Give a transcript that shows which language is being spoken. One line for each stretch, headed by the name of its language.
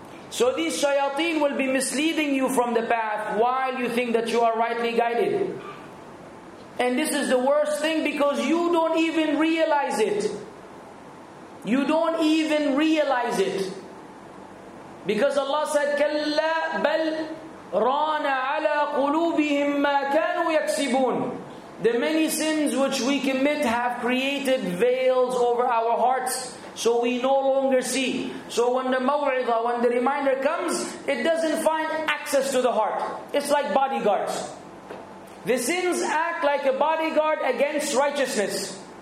English: So these shayateen will be misleading you from the path while you think that you are rightly guided. And this is the worst thing because you don't even realize it. You don't even realize it. Because Allah said,
Arabic: كَلَّا بَلْ رَانَ عَلَىٰ قُلُوبِهِمْ مَا كَانُوا يَكْسِبُونَ.
English: The many sins which we commit have created veils over our hearts, so we no longer see. So when the maw'idah, when the reminder comes, it doesn't find access to the heart. It's like bodyguards. The sins act like a bodyguard against righteousness.